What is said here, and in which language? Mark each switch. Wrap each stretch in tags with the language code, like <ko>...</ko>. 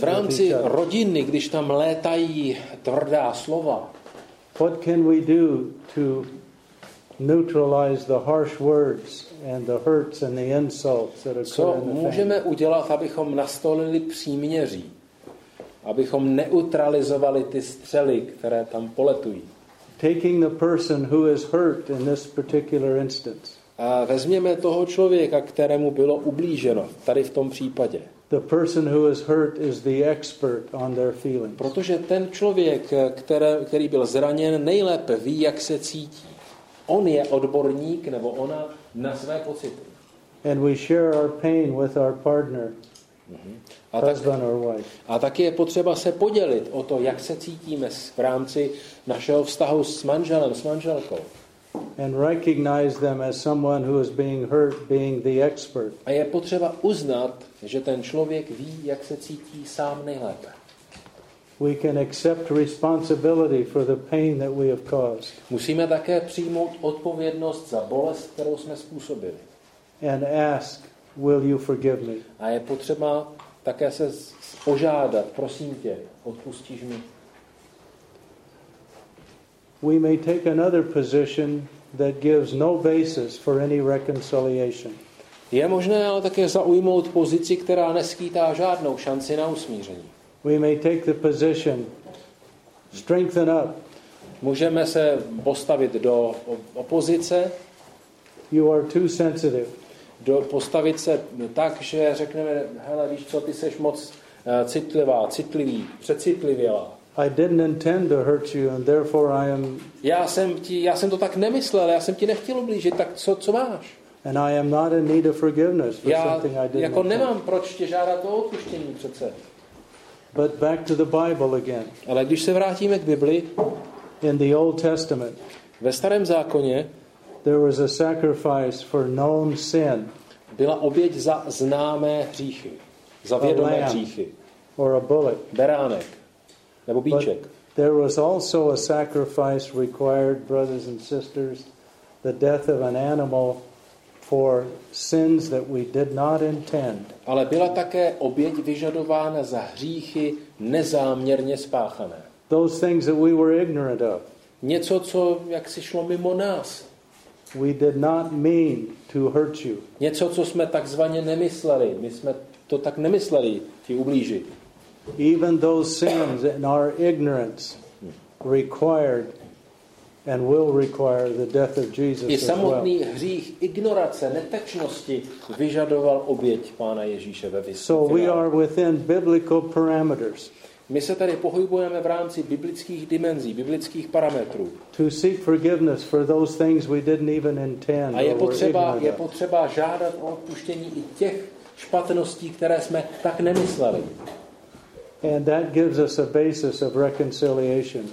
<cs>V rámci rodiny, když tam létají tvrdá slova.</cs> <en>What can we do to neutralize the harsh words and the hurts and the insults that occur?</en> <cs>Co můžeme udělat, abychom nastolili příměří? Abychom neutralizovali ty střely, které tam poletují.</cs> <en>Taking the person who is hurt in this particular instance.</en> <cs>A vezměme toho člověka, kterému bylo ublíženo, tady v tom případě.</cs> <en>The person who is hurt is the expert on their feelings.</en> <cs>Protože ten člověk, který byl zraněn, nejlépe ví, jak se cítí. On je odborník, nebo ona, na své pocity.</cs> <en>And we share our pain with our partner, husband or wife.</en> <cs>A taky je potřeba se podělit o to, jak se cítíme v rámci našeho vztahu s manželem, s manželkou.</cs> <en>And recognize them as someone who is being hurt, being the expert.</en> <cs>A je potřeba uznat, že ten člověk ví, jak se cítí sám nejlépe.</cs> <en>We can accept responsibility for the pain that we have caused.</en> <cs>Musíme také přijmout odpovědnost za bolest, kterou jsme způsobili.</cs> <en>And ask, will you forgive me?</en> <cs>A je potřeba také se požádat, prosím tě, odpustíš mi?</cs> <en>We may take another position that gives no basis for any reconciliation.</en> <cs>Je možné ale také zaujmout pozici, která neskýtá žádnou šanci na usmíření.</cs> <en>We may take the position strengthen up.</en> <cs>Můžeme se postavit do opozice.</cs> <en>You are too sensitive.</en> <cs>Do postavit se tak, že řekneme, hele, víš co, ty seš moc citlivá, citlivý, přecitlivělá.</cs> <en>I didn't intend to hurt you and therefore I am.</en> <cs>Já jsem to tak nemyslel, já jsem ti nechtěl ublížit, tak co máš?</cs> <en>And I am not in need of forgiveness for something I did.</en> <cs>Jako nemám proč tě žádat o odpuštění přece.</cs> <en>But back to the Bible again.</en> <cs>Ale když se vrátíme k Bibli,</cs> <en>in the Old Testament,</en> <cs>ve Starém zákoně,</cs> <en>there was a sacrifice for known sin.</en> <cs>Byla oběť za známé hříchy, za vědomé hříchy.</cs> <en>Or a bullock.</en> <cs>Beránek. Nebo bíček.</cs> <en>But there was also a sacrifice required, brothers and sisters, the death of an animal for sins that we did not intend.</en> <cs>Ale byla také oběť vyžadována za hříchy nezáměrně spáchané.</cs> <en>Those things that we were ignorant of.</en> <cs>Něco, co jak si šlo mimo nás.</cs> <en>We did not mean to hurt you.</en> <cs>Něco, co jsme takzvaně nemysleli. My jsme to tak nemysleli, ti ublížit.</cs> <en>Even those sins in our ignorance required and will require the death of Jesus.</en> <cs>I samotný hřích ignorace, netečnosti vyžadoval oběť Pána Ježíše ve vysvětě.</cs> <en>So we are within biblical parameters.</en> <cs>My se tady pohybujeme v rámci biblických dimenzí, biblických parametrů.</cs> <en>To seek forgiveness for those things we didn't even intend.</en> <cs>A je potřeba žádat o odpuštění i těch špatností, které jsme tak nemysleli.</cs> <en>And that gives us a basis of reconciliation.</en>